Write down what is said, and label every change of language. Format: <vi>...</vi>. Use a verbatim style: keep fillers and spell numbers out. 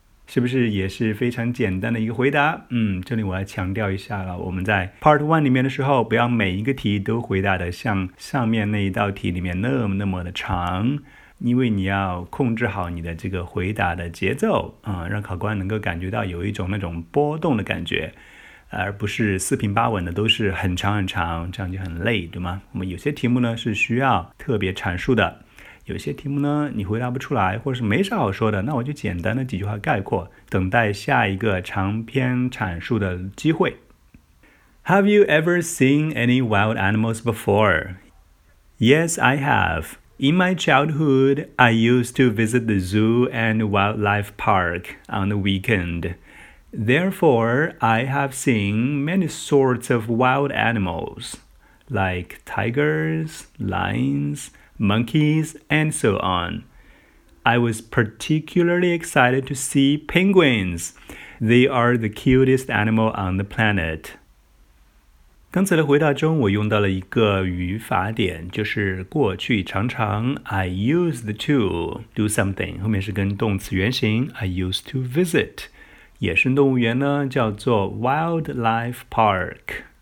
<zh>是不是也是非常简单的一个回答？嗯，这里我要强调一下了，我们在 Part One 里面的时候，不要每一个题都回答的像上面那一道题里面那么那么的长，因为你要控制好你的这个回答的节奏啊、嗯，让考官能够感觉到有一种那种波动的感觉，而不是四平八稳的都是很长很长，这样就很累，对吗？我们有些题目呢是需要特别阐述的。有些题目呢你回答不出来或者是没啥好说的，那我就简单的几句话概括，等待下一个长篇阐述的机会。</zh> <en>Have you ever seen any wild animals before? Yes, I have. In my childhood, I used to visit the zoo and wildlife park on the weekend. Therefore, I have seen many sorts of wild animals, like tigers, lions, monkeys, and so on. I was particularly excited to see penguins. They are the cutest animal on the planet.</en> <zh>刚才的回答中，我用到了一个语法点，就是过去常常</zh> <en>I used to do something，</en> <zh>后面是跟动词原形</zh> <en>I used to visit。</en> <zh>野生动物园呢，叫做 wildlife park。</zh>